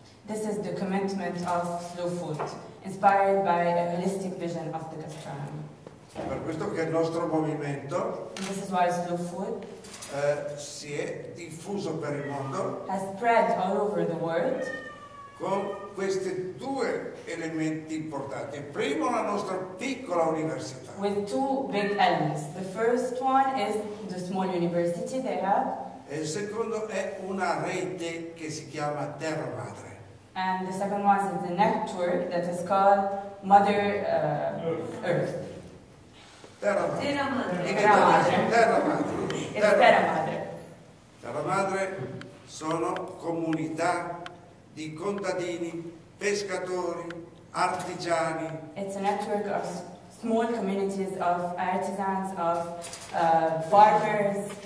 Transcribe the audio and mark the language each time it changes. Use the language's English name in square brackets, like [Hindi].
[English] This is the commitment of Slow Food, inspired by a holistic vision of the gastronomy. [Italian] Per questo che il nostro movimento, [English] this is why Slow Food, [Italian] si è diffuso per il mondo, [English] has spread all over the world, [Italian] con questi due elementi importanti. Primo, la nostra piccola università. [English] With two big elements. The first one is the small university they have. [Italian] E il secondo è una rete che si chiama Terra Madre. [English] And the second one is the network that is called Mother Earth. [Italian] Terra Madre. Terra Madre. In Italia, Terra Madre. Terra Madre. Terra Madre. Terra Madre sono comunità di contadini, pescatori, artigiani. [English] It's a network of small communities of artisans, of farmers,